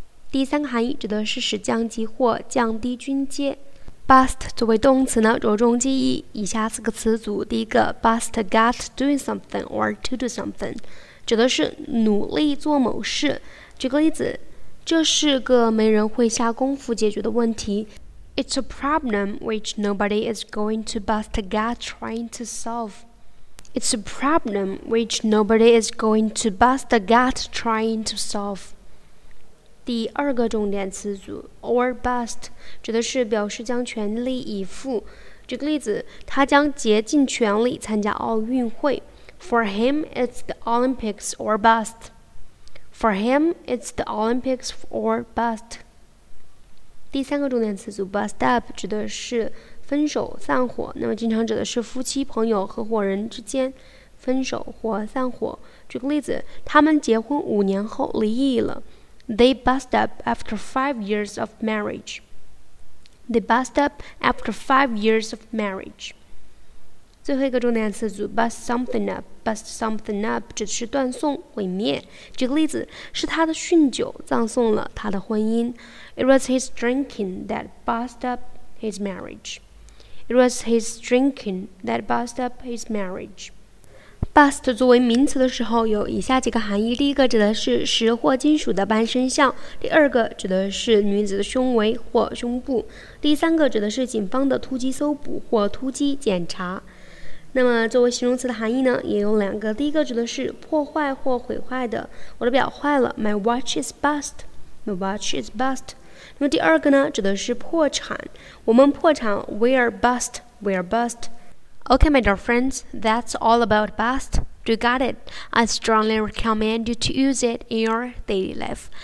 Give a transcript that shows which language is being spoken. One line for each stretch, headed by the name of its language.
Chinese: 第三个含义指的是使降级或降低军阶。 Bust 作为动词呢，着重记忆以下四个词组。第一个 ，
English: bust a gut doing something or to do something，
Chinese: 指的是努力做某事。举个例子，这是个没人会下功夫解决的问题。
English: It's a problem which nobody is going to bust a gut trying to solve. It's a problem which nobody is going to bust a gut trying to solve.
Chinese: 第二个重点词组 or bust 指的是表示将全力以赴。举个例子，他将竭尽全力参加奥运会。
English: For him, it's the Olympics or bust. For him, it's the Olympics or bust.
Chinese: 第三个重点词组 bust up 指的是分手、散伙，那么经常指的是夫妻、朋友、合伙人之间分手或散伙。举个例子，他们结婚五年后离异了。
English: They bust up after 5 years of marriage. They bust up after 5 years of marriage.
Chinese: 最后一个重点词组 bust something up， bust something up 指的是断送、毁灭。举个例子，是他的酗酒葬送了他的婚姻。
English: It was his drinking that bust up his marriage. It was his drinking that bust up his marriage.
Chinese: Bust 作为名词的时候有以下几个含义：第一个指的是石或金属的半身像；第二个指的是女子的胸围或胸部；第三个指的是警方的突击搜捕或突击检查。那么作为形容词的含义呢，也有两个。第一个指的是破坏或毁坏的，我的表坏了。
English: My watch is bust. My watch is bust.
Chinese: 那么第二个呢，指的是破产。我们破产。
English: We are bust. We are bust. Okay, my dear friends, that's all about bust. Do you got it? I strongly recommend you to use it in your daily life.